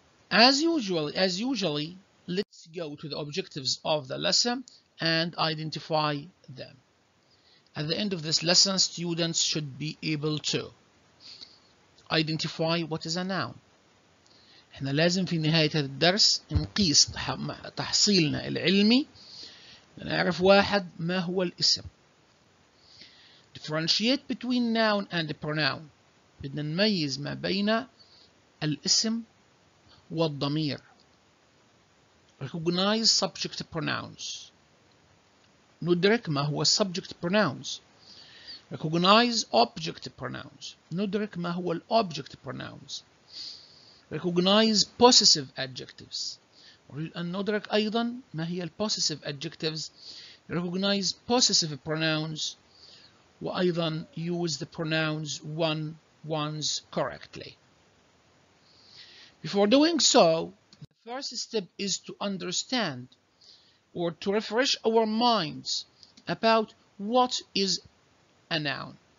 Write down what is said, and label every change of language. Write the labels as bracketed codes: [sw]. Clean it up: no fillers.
[en] As usually, let's go to the objectives of the lesson and identify them. At the end of this lesson, students should be able to identify what is a noun. [ar] احنا لازم في نهاية الدرس نقيس تحصيلنا العلمي لنعرف واحد ما هو الاسم. [en] Differentiate between noun and pronoun. [ar] بدنا نميز ما بين الاسم والضمير. [en] Recognize subject pronouns. [ar] ندرك ما هو [en] subject pronouns. Recognize object pronouns. [ar] ندرك ما هو [en] object pronouns. Recognize possessive adjectives. [ar] ندرك أيضا ما هي possessive adjectives. [en] Recognize possessive pronouns. [ar] وأيضا [en] use the pronouns ones correctly. Before doing so, the first step is to understand or to refresh our minds about what is a noun.